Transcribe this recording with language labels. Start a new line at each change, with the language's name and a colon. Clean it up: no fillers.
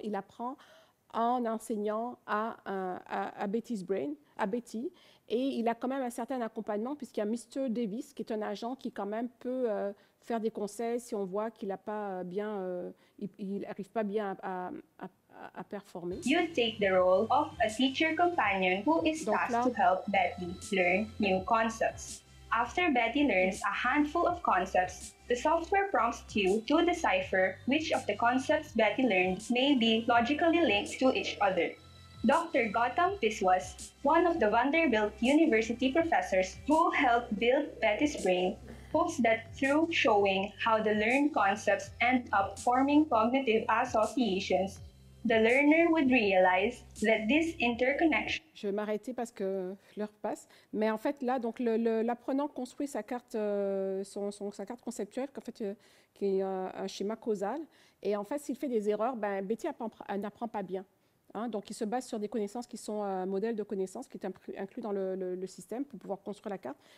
French: Il apprend en enseignant à Betty's Brain, à Betty. Et il a quand même un certain accompagnement puisqu'il y a Mr. Davis, qui est un agent qui quand même peut faire des conseils si on voit qu'il n'a pas bien, il n'arrive pas bien à performer.
English: You take the role of a teacher companion who is tasked to help Betty learn new concepts. After Betty learns a handful of concepts, the software prompts you to decipher which of the concepts Betty learned may be logically linked to each other. Dr. Gautam Biswas, one of the Vanderbilt University professors who helped build Betty's Brain, hopes that through showing how the learned concepts end up forming cognitive associations, the learner would realize that this interconnection.
French: Je vais m'arrêter parce que l'heure passe. Mais en fait, là, donc l'apprenant construit sa carte, sa carte conceptuelle, qu'en fait, qui est un schéma causal. Et en fait, s'il fait des erreurs, Betty n'apprend pas bien. Hein, donc, il se base sur des connaissances qui sont un modèle de connaissances qui est inclus dans le système pour pouvoir construire la carte.